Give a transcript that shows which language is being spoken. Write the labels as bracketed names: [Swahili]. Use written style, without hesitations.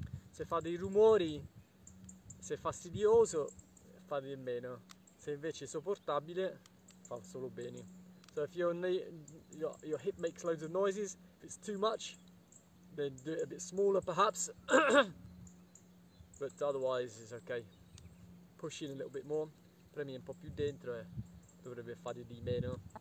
[Italian] Se fa dei rumori, se è fastidioso, fa di meno. Se invece è sopportabile, fa solo bene. [English] So if your hip makes loads of noises, if it's too much, then do it a bit smaller perhaps. But otherwise it's okay. Push in a little bit more, [Italian] premi un po' più dentro e dovrebbe fare di meno.